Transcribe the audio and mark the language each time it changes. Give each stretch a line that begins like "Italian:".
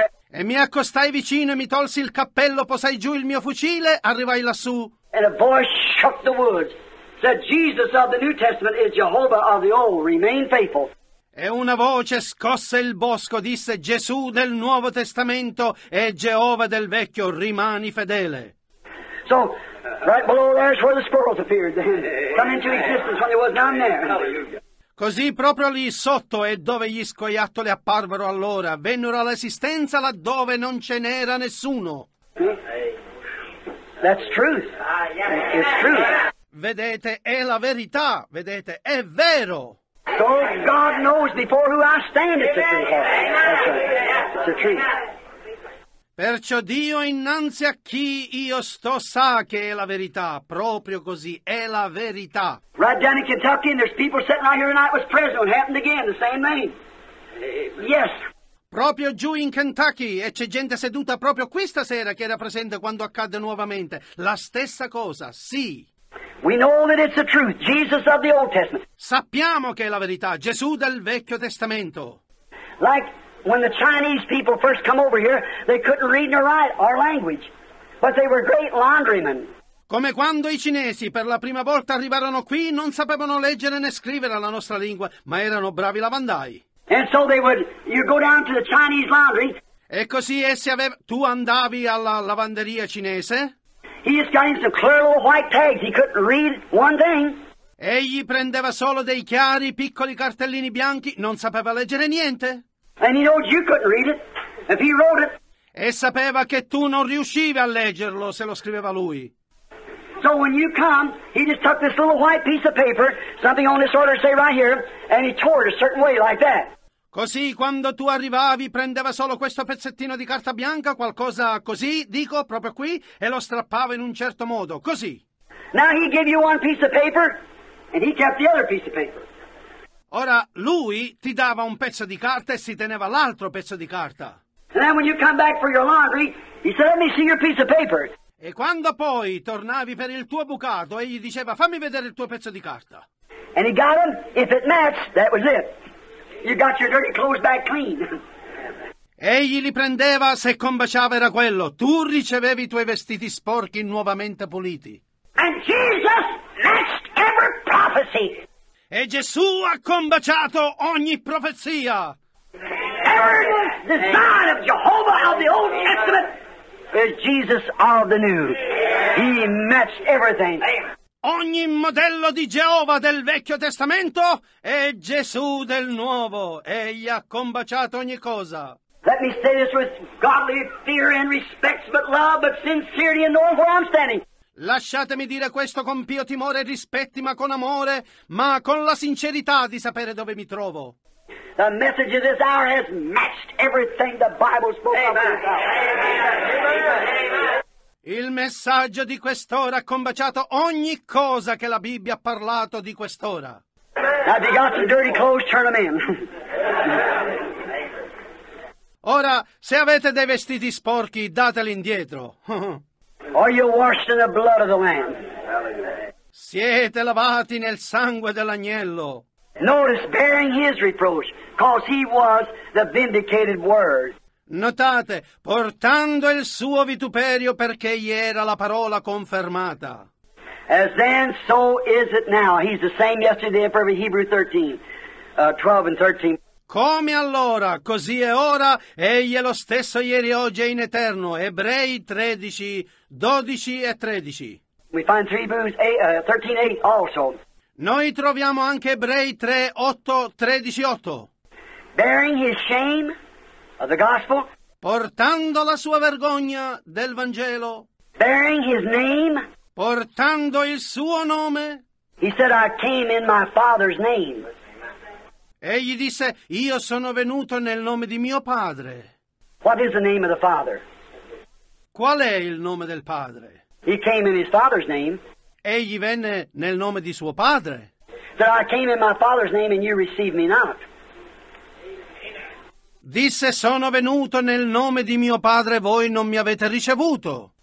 Italian: E mi accostai vicino e mi tolsi il cappello, posai giù il mio fucile, arrivai lassù.
English: And a voice shook the woods. Said, Jesus of the New Testament is Jehovah of the Old. Remain faithful.
Italian: E una voce scosse il bosco, disse, Gesù del Nuovo Testamento è Geova del Vecchio, rimani fedele.
English: So, right below there is where the squirrels appeared, come into existence when there was none there.
Italian: Così proprio lì sotto è dove gli scoiattoli apparvero allora, vennero all'esistenza laddove non ce n'era nessuno.
English: That's truth. It's truth.
Italian: Vedete, è la verità, vedete, è vero.
English: So God knows before who I stand, it's the truth. That's right. It's the truth.
Italian: Perciò Dio innanzi a chi io sto sa che è la verità. Proprio così, è la verità.
English: Right down in Kentucky, and there's people sitting out here tonight with prison. It happened again, the same name. Yes.
Italian: Proprio giù in Kentucky, e c'è gente seduta proprio qui stasera che era presente quando accadde nuovamente. La stessa cosa, sì.
English: We know that it's the truth, Jesus of the Old Testament.
Italian: Sappiamo che è la verità, Gesù del Vecchio Testamento.
English: Like when the Chinese people first come over here, they couldn't read nor write our language, but they were great laundrymen.
Italian: Come quando i cinesi per la prima volta arrivarono qui, non sapevano leggere né scrivere la nostra lingua, ma erano bravi lavandai.
English: And so they would, you go down to the Chinese laundry.
Italian: E così essi avevano, tu andavi alla lavanderia cinese.
English: He just got him some clear little white tags. He couldn't read one thing.
Italian: Egli prendeva solo dei chiari piccoli cartellini bianchi. Non sapeva leggere niente.
English: And he knows you couldn't read it if he wrote it.
Italian: E sapeva che tu non riuscivi a leggerlo se lo scriveva lui.
English: So when you come, he just took this little white piece of paper, something on this order, say right here, and he tore it a certain way like that.
Italian: Così, quando tu arrivavi, prendeva solo questo pezzettino di carta bianca, qualcosa così, dico, proprio qui, e lo strappava in un certo modo, così.
English: Now he gave you one piece of paper, and he kept the other piece of paper.
Italian: Ora, lui ti dava un pezzo di carta e si teneva l'altro pezzo di carta.
English: And then when you come back for your laundry, he said, let me see your piece of paper.
Italian: E quando poi tornavi per il tuo bucato, egli diceva, fammi vedere il tuo pezzo di carta.
English: And he got him, if it matched, that was it. You got your dirty clothes back clean.
Italian: Egli li prendeva, se combaciava era quello. Tu ricevevi i tuoi vestiti sporchi nuovamente puliti.
English: And Jesus matched every prophecy.
Italian: E Gesù ha combaciato ogni profezia.
English: Every design of Jehovah of the Old Testament is Jesus of the New. He matched everything.
Italian: Ogni modello di Geova del Vecchio Testamento è Gesù del Nuovo. Egli ha combaciato ogni cosa.
English: Let me say this with godly fear and respect, but love, but sincerity and knowing where I'm standing.
Italian: Lasciatemi dire questo con pio timore e rispetti, ma con amore, ma con la sincerità di sapere dove mi trovo.
English: The message of this hour has matched everything the Bible spoke about. Amen.
Italian: Il messaggio di quest'ora ha combaciato ogni cosa che la Bibbia ha parlato di quest'ora.
English: Have you got some dirty clothes, turn them in.
Italian: Ora, se avete dei vestiti sporchi, dateli indietro.
English: Are you washed in the blood of the Lamb?
Italian: Siete lavati nel sangue dell'agnello.
English: Notice bearing his reproach, because he was the vindicated word.
Italian: Notate, portando il suo vituperio perché gli era la parola confermata.
English: As then, so is it now. He's the same yesterday and forever, Hebrew 12 and 13.
Italian: Come allora, così è ora, egli è lo stesso ieri, oggi e in eterno. Ebrei 13, 12 e 13.
English: We find Hebrews 13:8 also.
Italian: Noi troviamo anche Ebrei 3, 8, 13, 8.
English: Bearing his shame of the gospel.
Italian: Portando la sua vergogna del Vangelo.
English: Bearing his name.
Italian: Portando il suo nome.
English: He said, I came in my Father's name.
Italian: Egli disse, io sono venuto nel nome di mio padre.
English: What is the name of the Father?
Italian: Qual è il nome del padre?
English: He came in his Father's name.
Italian: Egli venne nel nome di suo padre.
English: That I came in my Father's name and you received me not.
Italian: Disse, sono venuto nel nome di mio padre e voi non mi avete ricevuto.